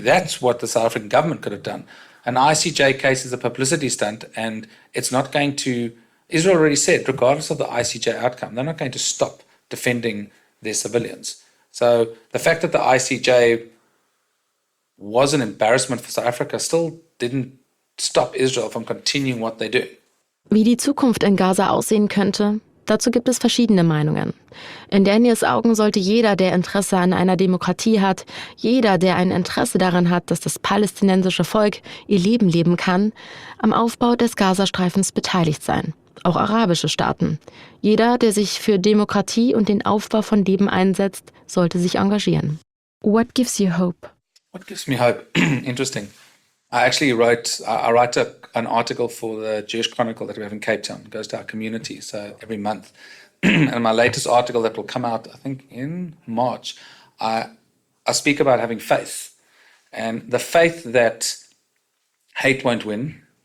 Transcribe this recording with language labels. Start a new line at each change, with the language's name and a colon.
English: That's what the South African government could have done. An ICJ case is a publicity stunt, and it's not going to... Israel already said, regardless of the ICJ outcome, they're not going to stop defending their civilians. So the fact that the ICJ was an embarrassment for South Africa still didn't stop Israel from continuing what they do.
German: Wie die Zukunft in Gaza aussehen könnte, dazu gibt es verschiedene Meinungen. In Daniels Augen sollte jeder, der Interesse an einer Demokratie hat, jeder, der ein Interesse daran hat, dass das palästinensische Volk ihr Leben leben kann, am Aufbau des Gazastreifens beteiligt sein. Auch arabische Staaten. Jeder, der sich für Demokratie und den Aufbau von Leben einsetzt, sollte sich engagieren.
English: What gives you hope? What gives me hope? Interesting. I write an article for the Jewish Chronicle that we have in Cape Town. It goes to our community, so every month. And my latest article that will come out, I think, in March, I speak about having faith. And the faith that hate won't win.